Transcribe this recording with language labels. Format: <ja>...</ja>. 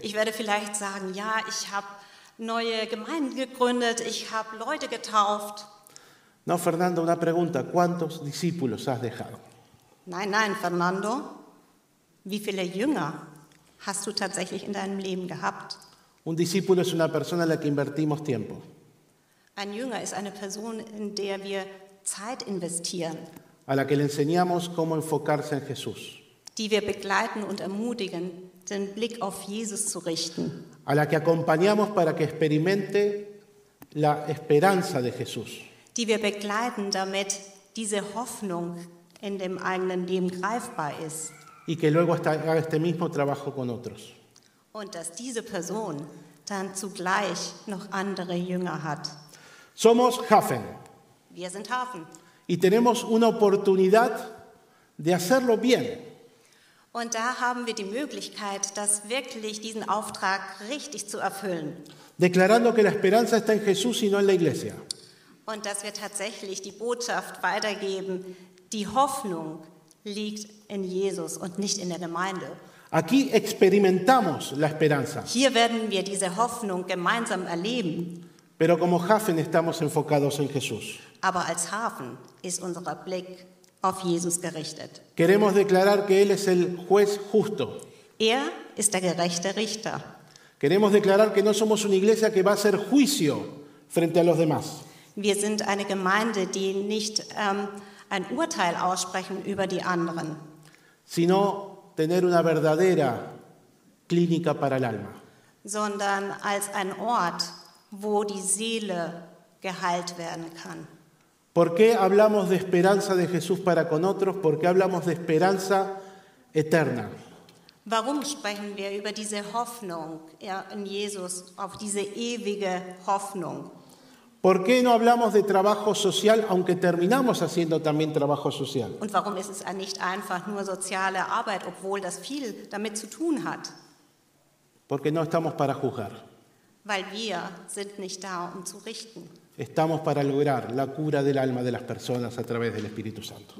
<de>Ich werde vielleicht sagen, ja, ich habe neue Gemeinden gegründet, ich habe Leute getauft.</de> <es>No, Fernando, una pregunta, ¿cuántos discípulos has dejado?</es> <de>Nein, Fernando, wie viele Jünger hast du tatsächlich in deinem Leben gehabt?</de> <es>Un discípulo es una persona en la que invertimos tiempo.</es> <de>Ein Jünger ist eine Person, in der wir Zeit investieren.</de> <es>A la que le enseñamos cómo enfocarse en Jesús.</es> <de>Die wir begleiten und ermutigen, den Blick auf Jesus zu richten.</de> <es>A la que acompañamos para que experimente la esperanza de Jesús.</es> <de>Die wir begleiten, damit diese Hoffnung in dem eigenen Leben greifbar ist.</de> <es>Y que luego haga este mismo trabajo con otros.</es> <de>Und dass diese Person dann zugleich noch andere Jünger hat.</de> <es>Somos Hafen.</es> <de>Wir sind Hafen.</de> <es>Y tenemos una oportunidad de hacerlo bien.</es> <de>Und da haben wir die Möglichkeit, das wirklich diesen Auftrag richtig zu erfüllen.</de> <es>Declarando que la esperanza está en Jesús y no en la iglesia.</es> <de>Und dass wir tatsächlich die Botschaft weitergeben, die Hoffnung liegt in Jesus und nicht in der Gemeinde.</de> <es>Aquí experimentamos la esperanza.</es> <de>Hier werden wir diese Hoffnung gemeinsam erleben.</de> <es>Pero como Hafen estamos enfocados en Jesús.</es> <de>Aber als Hafen ist unser Blick auf Jesus gerichtet.</de> <es>Queremos declarar que él es el juez justo.</es> <de>Er ist der gerechte Richter.</de> <es>Queremos declarar que no somos una iglesia que va a hacer juicio frente a los demás.</es> <de>Wir sind eine Gemeinde, die nicht ein Urteil aussprechen über die anderen.</de> <es>Sino tener una verdadera clínica para el alma.</es> <de>Sondern als ein Ort, wo die Seele geheilt werden kann.</de> <es>¿Por qué hablamos de esperanza de Jesús para con otros? ¿Por qué hablamos de esperanza eterna?</es> <de>Warum sprechen wir über diese Hoffnung in Jesus, auf diese ewige Hoffnung?</de> <es>¿Por qué no hablamos de trabajo social, aunque terminamos haciendo también trabajo social?</es> <de>Und warum ist es nicht einfach nur soziale Arbeit, obwohl das viel damit zu tun hat?</de> <es>Porque no estamos para juzgar.</es> <de>Weil wir sind nicht da, um zu richten.</de> <es>Estamos para lograr la cura del alma de las personas a través del Espíritu Santo.</es>